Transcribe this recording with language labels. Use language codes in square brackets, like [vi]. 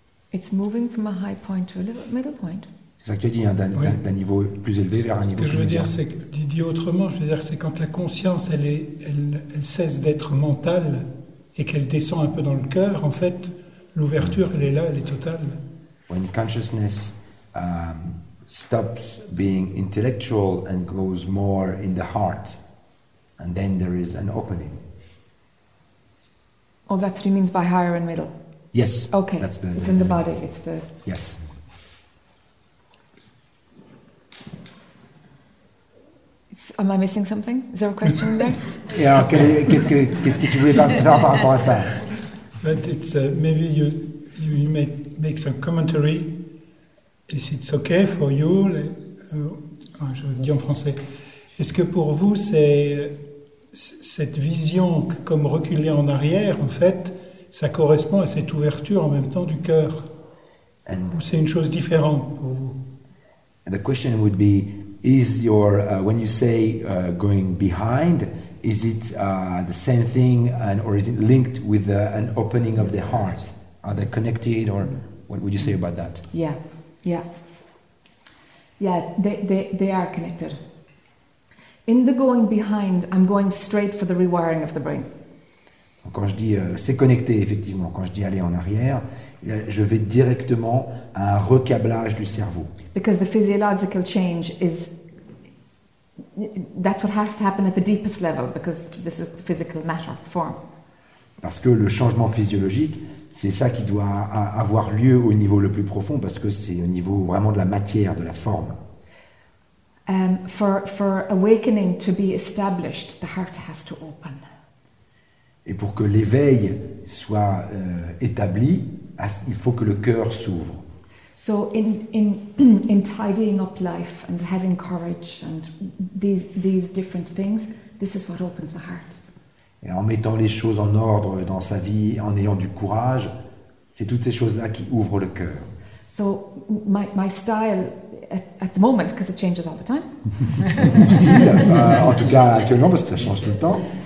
[en] It's moving from a high point to a middle point. [fr] C'est ça que tu dis, d'un niveau plus élevé vers un niveau plus médian. Ce que je veux dire, c'est, dit autrement, je veux dire, c'est quand la conscience, elle cesse d'être mentale et qu'elle descend un peu dans le cœur, en fait, l'ouverture, elle est là, elle est totale. [en] When consciousness stops being intellectual and goes more in the heart, and then there is an opening. Oh, that's what he means by higher and middle. Yes. Okay. That's the. It's in the body. It's the. Yes. Am I missing something? Is there a question in there? [fr] Yeah, qu'est-ce que tu voulais dire par rapport à ça? [en] But it's maybe you may make some commentary. Is it okay for you? [fr] Je le dis en français. Est-ce que pour vous, c'est cette vision comme reculer en arrière, en fait, ça correspond à cette ouverture en même temps du cœur? Ou c'est une chose différente pour vous? [en] The question would be, is your when you say going behind, is it the same thing, and or is it linked with an opening of the heart? Are they connected, or what would you say about that? Yeah. They are connected. In the going behind, I'm going straight for the rewiring of the brain. [fr] Quand je dis c'est connecté, effectivement, quand je dis aller en arrière, je vais directement à un recablage du cerveau. [en] Because the physiological change is, that's what has to happen at the deepest level, because this is the physical matter form. [fr] Parce que le changement physiologique, c'est ça qui doit avoir lieu au niveau le plus profond, parce que c'est au niveau vraiment de la matière, de la forme. [en] For awakening to be established, the heart has to open. [fr] Et pour que l'éveil soit établi, il faut que le cœur s'ouvre. [en] So in tidying up life and having courage and these different things, this is what opens the heart. [fr] Et en mettant les choses en ordre dans sa vie, en ayant du courage, c'est toutes ces choses-là qui ouvrent le cœur. [en] So my style at the moment, because it changes all the time. [fr] Style, en tout cas actuellement, parce que ça change tout le temps.